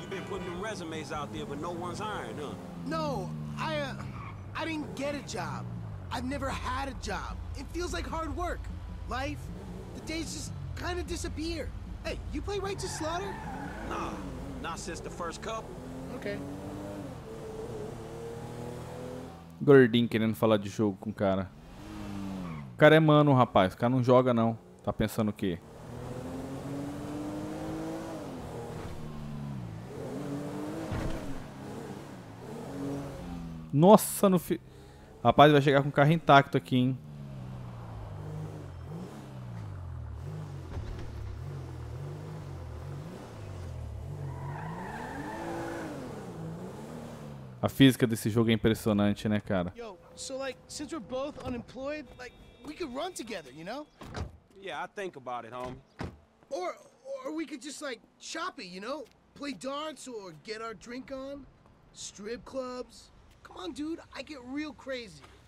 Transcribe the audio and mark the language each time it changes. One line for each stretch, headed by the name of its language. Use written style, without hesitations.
English: You've been putting them resumes out there, but no one's hiring, huh? No, I didn't get a job. I've never had a job. It feels like hard work. Life, the days just kind of disappear. Hey, you play Righteous Slaughter? Nah, not since the first couple. Okay.
Portuguese: Gordinho querendo falar de jogo com o cara. O cara é mano, rapaz. O cara não joga, não. Tá pensando o quê? Nossa, no fim. Rapaz, vai chegar com o carro intacto aqui, hein? A física desse jogo é impressionante, né, cara?
English: Yo, so like, since we're both unemployed, like, we could run together, you know? Yeah, I think about it, homie. Or we could just like chop it, you know? Play darts or get our drink on. Strip clubs. Come on, dude, I get real crazy.